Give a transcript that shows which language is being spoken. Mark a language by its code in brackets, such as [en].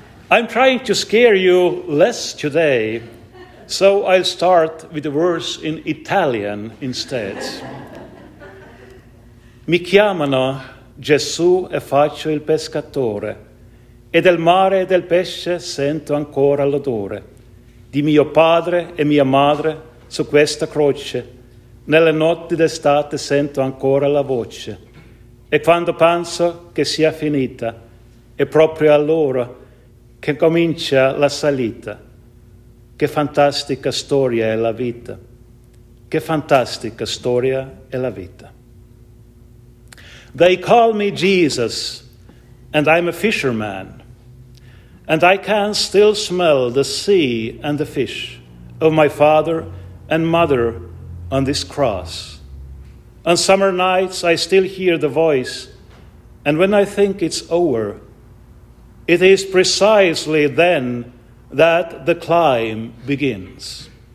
[en] I'm trying to scare you less today, so I'll start with the verse in Italian instead. [it] Mi chiamano Gesù e faccio il pescatore, e del mare e del pesce sento ancora l'odore di mio padre e mia madre su questa croce. Nelle notti d'estate sento ancora la voce, e quando penso che sia finita, è proprio allora che comincia la salita. Che fantastica storia è la vita, che fantastica storia è la vita. [en] They call me Jesus, and I'm a fisherman, and I can still smell the sea and the fish of my father and mother on this cross. On summer nights I still hear the voice, and when I think it's over, it is precisely then that the climb begins.